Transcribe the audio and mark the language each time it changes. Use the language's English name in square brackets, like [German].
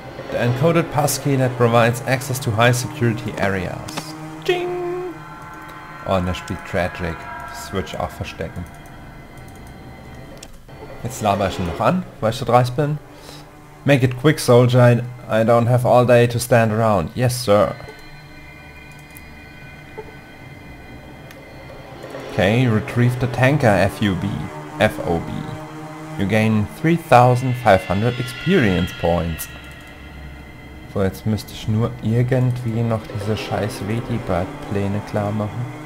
[English] The encoded passkey that provides access to high security areas. Ding! [German] Oh, und das spielt Tragic. Das würde ich auch verstecken. Jetzt laber ich ihn noch an, weil ich so dreist bin. [English] Make it quick, soldier. I don't have all day to stand around. Yes, sir. Okay, retrieve the tanker, FUB. FOB. You gain 3500 experience points. [German] So, jetzt müsste ich nur irgendwie noch diese scheiß Wedi-Bird-Pläne klar machen.